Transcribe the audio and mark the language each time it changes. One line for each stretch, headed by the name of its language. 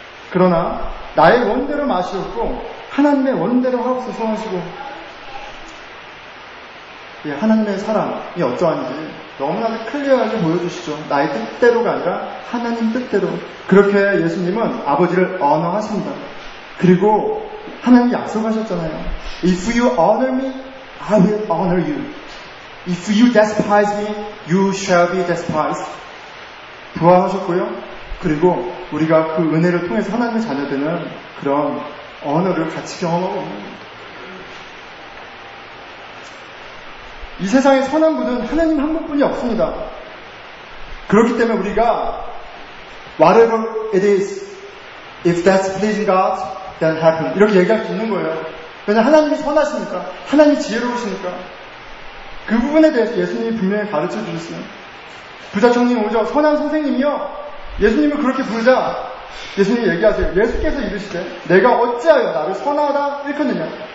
Korean: 그러나 나의 원대로 마시옵고 하나님의 원대로 하옵소서 하시고. 예, 하나님의 사랑이 어떠한지 너무나도 클리어하게 보여주시죠. 나의 뜻대로가 아니라 하나님 뜻대로. 그렇게 예수님은 아버지를 언어하십니다. 그리고 하나님 약속하셨잖아요.
English: If you honor me, I will honor you. If you despise me, you shall be despised.
Korean: 부활하셨고요. 그리고 우리가 그 은혜를 통해서 하나님의 자녀되는 그런 언어를 같이 경험하고 있는 겁니다. 이 세상의 선한 분은 하나님 한 분뿐이 없습니다. 그렇기 때문에 우리가
English: whatever it is, if that's pleasing God, then happen.
Korean: 이렇게 얘기할 수 있는 거예요. 왜냐하면 하나님이 선하시니까, 하나님이 지혜로우시니까. 그 부분에 대해서 예수님이 분명히 가르쳐 주셨어요. 부자 청년이 오죠. 선한 선생님이요. 예수님을 그렇게 부르자 예수님이 얘기하세요. 예수께서 이르시되 내가 어찌하여 나를 선하다 일컫느냐.